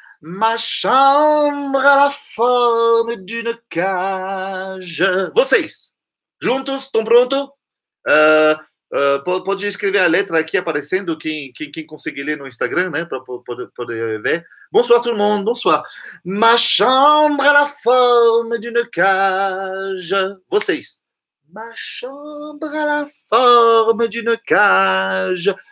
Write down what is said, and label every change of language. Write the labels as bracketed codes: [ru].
[fr] Ma chambre a la forme d'une cage. [pt] Vocês, juntos, estão prontos? Pode escrever a letra aqui aparecendo, quem conseguir ler no Instagram, né, para poder ver. [fr] Bonsoir, tout le monde, bonsoir. Ma chambre a la forme d'une cage. Vocês. Ma chambre a la forme d'une cage.